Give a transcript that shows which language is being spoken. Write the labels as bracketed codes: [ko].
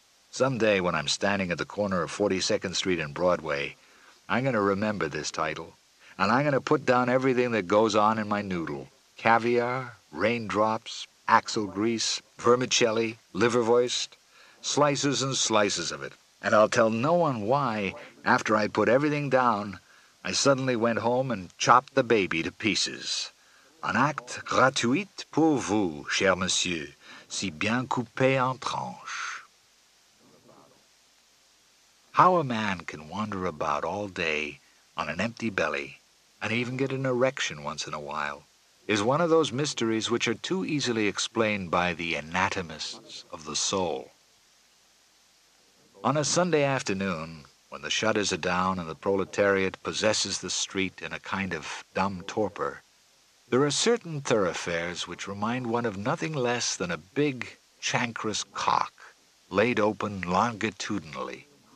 [en] Someday when I'm standing at the corner of 42nd Street and Broadway, I'm going to remember this title, and I'm going to put down everything that goes on in my noodle. Caviar, raindrops, axle grease, vermicelli, livervoist, slices and slices of it. And I'll tell no one why, after I put everything down, I suddenly went home and chopped the baby to pieces. [fr] Un acte gratuit pour vous, cher monsieur, si bien coupé en tranches. [en] How a man can wander about all day on an empty belly and even get an erection once in a while is one of those mysteries which are too easily explained by the anatomists of the soul. On a Sunday afternoon, when the shutters are down and the proletariat possesses the street in a kind of dumb torpor, there are certain thoroughfares which remind one of nothing less than a big, chancrous cock laid open longitudinally.